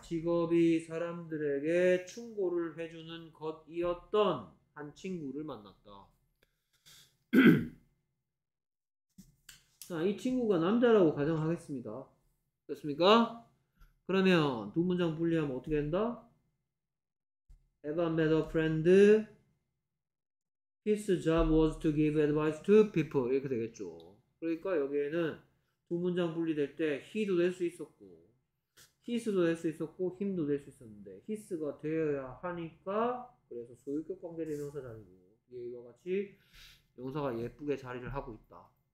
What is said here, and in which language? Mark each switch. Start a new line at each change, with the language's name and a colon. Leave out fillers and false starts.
Korean: 직업이 사람들에게 충고를 해주는 것이었던 한 친구를 만났다. 자, 이 친구가 남자라고 가정하겠습니다. 됐습니까? 그러면 두 문장 분리하면 어떻게 된다?
English: Eva met a friend. His job was to give advice to people.
Korean: 이렇게 되겠죠. 그러니까 여기에는 두 문장 분리될 때 he도 될 수 있었고 his도 될 수 있었고 him도 될 수 있었는데 his가 되어야 하니까 그래서 소유격 관계대명사 자리고 이와 같이 명사가 예쁘게 자리를 하고 있다.